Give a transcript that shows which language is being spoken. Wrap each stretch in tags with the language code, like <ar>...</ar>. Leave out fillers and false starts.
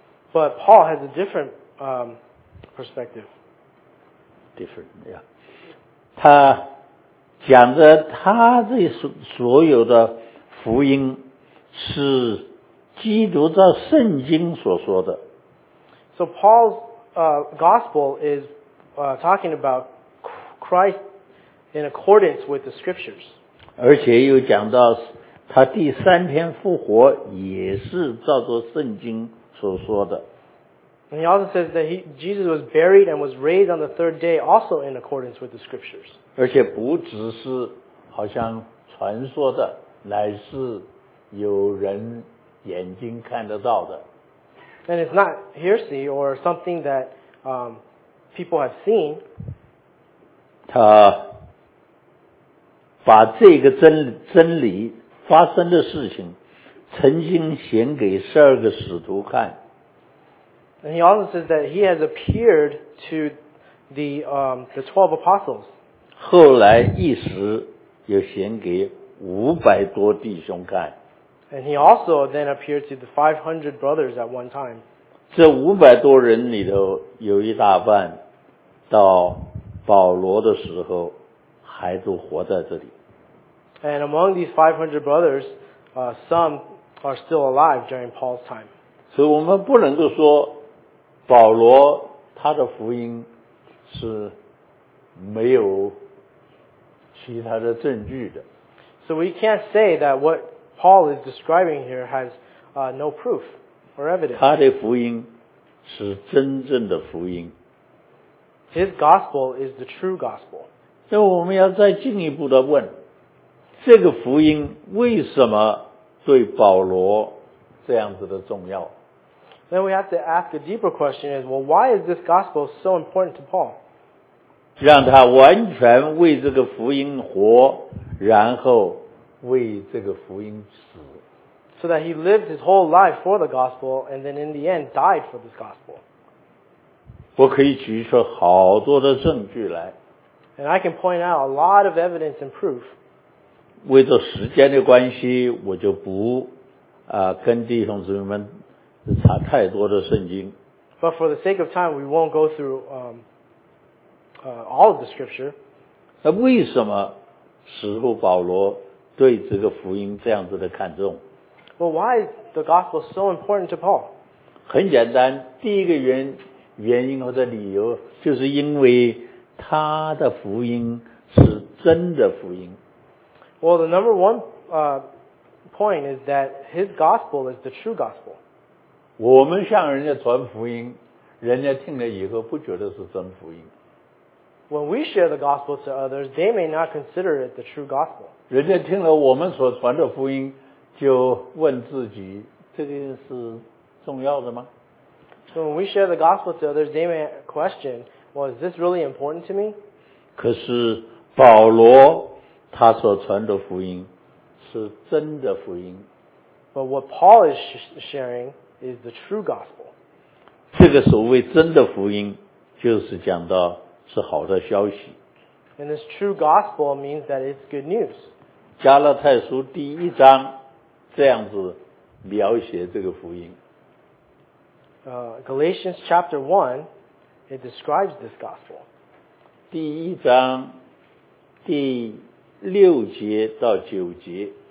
<en>But Paul has a different perspective. Different, yeah.</en> <zh>他讲的他这所有的福音是基督照圣经所说的。</zh> <en>So Paul's gospel is talking about Christ in accordance with the scriptures.</en> <zh>而且又讲到他第三天复活也是照着圣经所说的。</zh> <en>And he also says that Jesus was buried and was raised on the third day also in accordance with the scriptures.</en> <zh>而且不只是好像传说的，乃是有人眼睛看得到的。</zh> <en>And it's not hearsay or something that people have seen.</en> <zh>他把这个真理发生的事情曾经显给十二个使徒看。</zh> <en>And he also says that he has appeared to the 12 apostles.</en> <zh>后来一时又显给五百多弟兄看。</zh> <en>And he also then appeared to the 500 brothers at one time.</en> <zh>这五百多人里头有一大半到保罗的时候还都活在这里。</zh> <en>And among these 500 brothers, some are still alive during Paul's time.</en> <zh>所以我们不能够说保罗他的福音是没有其他的证据的。</zh> <en>So we can't say that what Paul is describing here has no proof or evidence.</en> <zh>他的福音是真正的福音。</zh> <en>His gospel is the true gospel.</en> <zh>所以我们要再进一步的问，这个福音为什么对保罗这样子的重要？</zh> <en>Then we have to ask a deeper question is, well, why is this gospel so important to Paul?</en> <zh>让他完全为这个福音活，然后为这个福音死。</zh> <en>So that he lived his whole life for the gospel, and then in the end died for this gospel.</en> <zh>我可以举出好多的证据来。</zh> <en>And I can point out a lot of evidence and proof.</en> <zh>为着时间的关系，我就不跟弟兄姊妹们查太多的圣经。</zh> <en>But for the sake of time, we won't go through all of the scripture.</en> <zh>那为什么使徒保罗对这个福音这样子的看重？</zh> <en>Well, why is the gospel so important to Paul?</en> <zh>很简单，第一个原因或者理由，就是因为他的福音是真的福音。</zh> <en>Well, the number one point is that his gospel is the true gospel.</en> <zh>我们向人家传福音，人家听了以后不觉得是真福音。</zh> <en>When we share the gospel to others, they may not consider it the true gospel.</en> <zh>人家听了我们所传的福音，就问自己，这个是重要的吗？</zh> <en>So when we share the gospel to others, they may question, well, is this really important to me?</en> <zh>可是保罗他所传的福音是真的福音。</zh> <en>But what Paul is sharing is the true gospel.</en> <zh>这个所谓真的福音就是讲到是好的消息。</zh> <en>And this true gospel means that it's good news.</en> <zh>加拉太书第一章这样子描写这个福音。</zh> <en>Galatians chapter 1, it describes this gospel.</en> <zh>第一章第六节到九节。</zh>